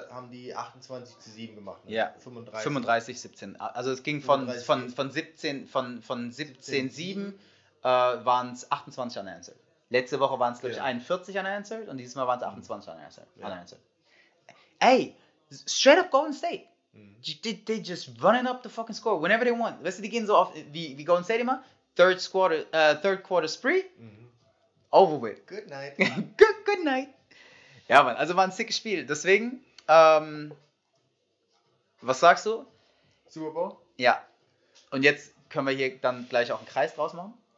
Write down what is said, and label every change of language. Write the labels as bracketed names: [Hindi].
[German] haben die 28-7 gemacht. Ne? Ja. 35-17. Also es ging von 17-7. Waren es 28 unanswered. Letzte Woche waren es, glaube ich, 41 unanswered und dieses Mal waren es 28 unanswered. [English] Ja. Ey, straight up Golden State. Mhm. They just running up the fucking score whenever they want. [German] Weißt du, die gehen so auf wie Golden State immer? [English] Third quarter spree? Mhm. Over with. Good night. good night. [German] Ja, Mann, also war ein sickes Spiel. Deswegen, was sagst du? Super Bowl? Ja. Und jetzt können wir hier dann gleich auch einen Kreis draus machen.